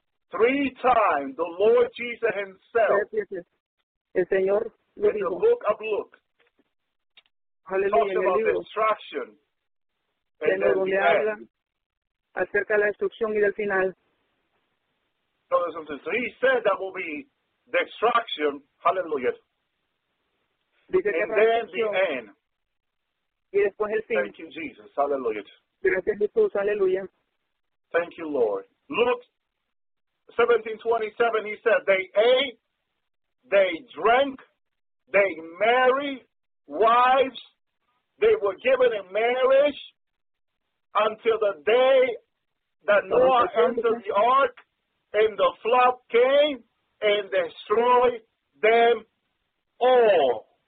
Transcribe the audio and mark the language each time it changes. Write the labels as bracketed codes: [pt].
[en] 3 times, the Lord Jesus himself, [es] el Señor lo [en] in the book of Luke, talks about destruction and then the end. [es] Acerca de la destrucción y del final. [en] So he said that will be destruction, hallelujah, [es] dice [en] and then the end. [es] Y después el fin. [en] Thank you, Jesus. Hallelujah. [es] Gracias, Jesús. Hallelujah. [en] Thank you, Lord. Luke 17:27, he said, they ate, they drank, they married wives, they were given in marriage until the day that Noah entered the ark and the flood came and destroyed them all.